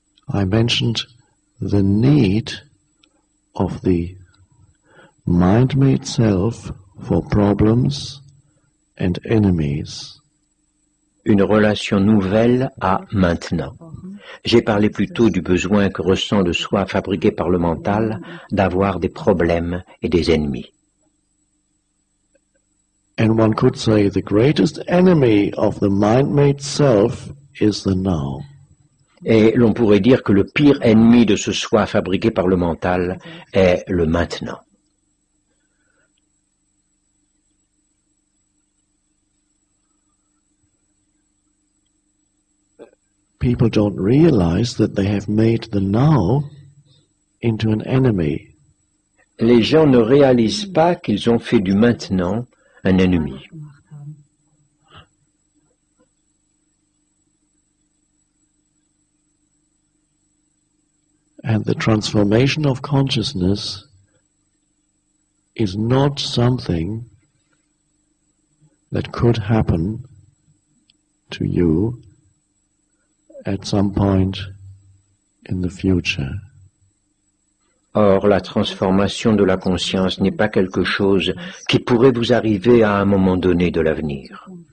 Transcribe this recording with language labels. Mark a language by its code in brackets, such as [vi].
[en] I mentioned the need of the mind-made self for problems and enemies. [fr] Une relation nouvelle à maintenant. J'ai parlé plutôt du besoin que ressent le soi fabriqué par le mental d'avoir des problèmes et des ennemis. [en] And one could say the greatest enemy of the mind-made self is the now. [fr] Et l'on pourrait dire que le pire ennemi de ce soi fabriqué par le mental est le maintenant. [en] People don't realize that they have made the now into an enemy. [fr] Les gens ne réalisent pas qu'ils ont fait du maintenant un ennemi. [en] And the transformation of consciousness is not something that could happen to you at some point in the future. [fr] Or, la transformation de la conscience n'est pas quelque chose qui pourrait vous arriver à un moment donné de l'avenir.